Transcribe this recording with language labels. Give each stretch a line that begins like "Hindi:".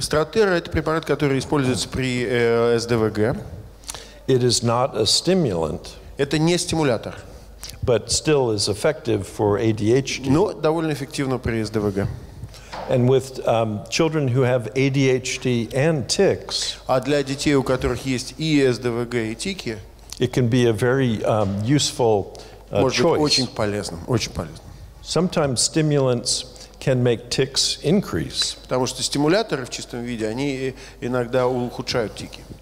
Russian: Стратера – это препарат, который используется при СДВГ.
English: It is not a stimulant.
Russian: Это не стимулятор.
English: But still is effective for ADHD.
Russian: Но довольно эффективно при СДВГ.
English: And with children who have ADHD and tics.
Russian: А для детей, у которых есть и СДВГ, и тики.
English: It can be a very useful
Russian: может
English: choice.
Russian: Может быть очень полезным, очень полезным.
English: Sometimes stimulants can make tics increase.
Russian: Потому что стимуляторы в чистом виде, они иногда ухудшают тики.